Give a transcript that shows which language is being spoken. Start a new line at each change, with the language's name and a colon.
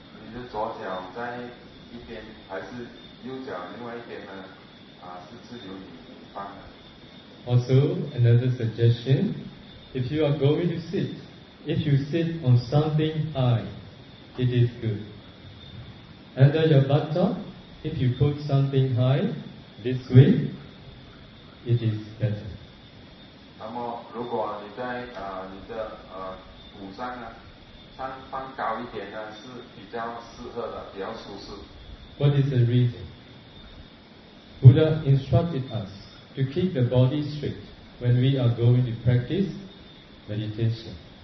Chinese: 你的左脚在一边，还是右脚另外一边呢？是自由你放的。
English: Also another suggestion, if you are going to sit, if you sit on something high, it is good. Under your buttock, if you put something high, this way, it is better.
Chinese: 那么，如果你在你的骨上呢，放高一点呢，是比较适合的，比较舒适。
English: What is the reason? Buddha instructed us to keep the body straight when we are going to practice meditation.